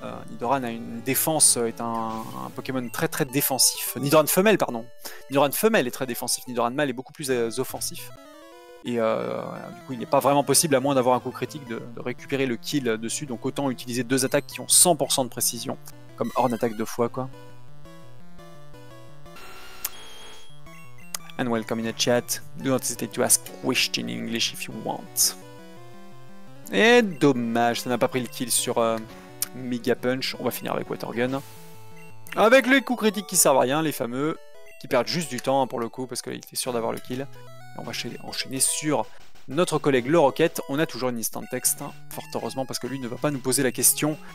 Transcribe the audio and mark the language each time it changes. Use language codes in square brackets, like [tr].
[fr] Nidoran a une défense, est un Pokémon très très défensif. Nidoran femelle, pardon. Nidoran femelle est très défensif, Nidoran mâle est beaucoup plus offensif. Et du coup il n'est pas vraiment possible, à moins d'avoir un coup critique, de récupérer le kill dessus. Donc autant utiliser deux attaques qui ont 100% de précision, comme Horn attaque deux fois quoi. [en] And welcome in the chat. Do not hesitate to ask questions in English if you want. [fr] Et dommage, ça n'a pas pris le kill sur Mega Punch. On va finir avec Water Gun. Avec les coups critiques qui servent à rien, les fameux, qui perdent juste du temps hein, pour le coup, parce qu'il était sûr d'avoir le kill. Et on va enchaîner sur notre collègue le Rocket. On a toujours une instant text, hein, fort heureusement, parce que lui ne va pas nous poser la question.